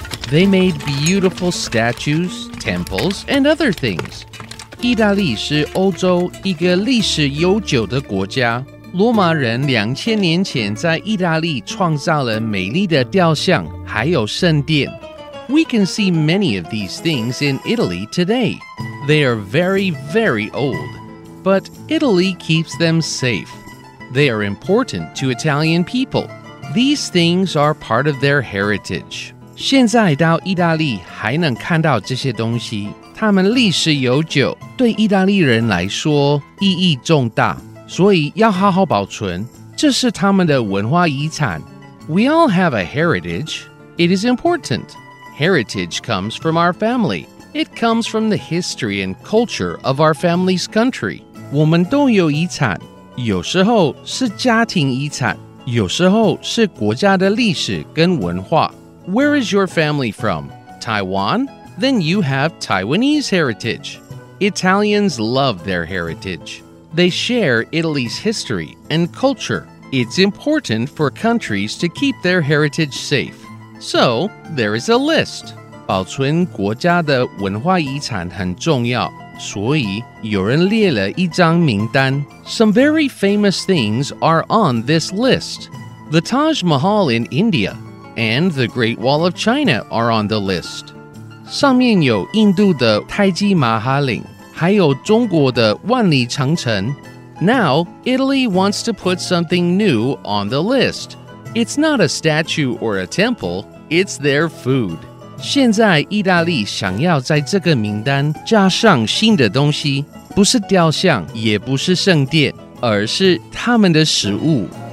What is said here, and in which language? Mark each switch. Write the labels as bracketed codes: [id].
[en] They made beautiful statues, temples, and other things. [zh] 義大利是歐洲一個歷史悠久的國家。羅馬人兩千年前在義大利創造了美麗的雕像還有聖殿。 [en] We can see many of these things in Italy today. They are very, very old. But Italy keeps them safe. They are important to Italian people. These things are part of their heritage. [zh] 现在到义大利还能看到这些东西，它们历史悠久，对意大利人来说意义重大，所以要好好保存。这是他们的文化遗产。 [en] We all have a heritage. It is important. Heritage comes from our family. It comes from the history and culture of our family's country. [zh] 我们都有遗产，有时候是家庭遗产，有时候是国家的历史跟文化。 [en] Where is your family from? Taiwan? Then you have Taiwanese heritage. Italians love their heritage. They share Italy's history and culture. It's important for countries to keep their heritage safe. So, there is a list. [zh] 保存国家的文化遗产很重要，所以有人列了一张名单。 [en] Some very famous things are on this list. The Taj Mahal in India and the Great Wall of China are on the list. [zh] 上面有印度的泰姬玛哈陵，还有中国的万里长城。 [en] Now, Italy wants to put something new on the list. It's not a statue or a temple, it's their food. [zh] 现在意大利想要在这个名单加上新的东西，不是雕像，也不是圣殿，而是他们的食物。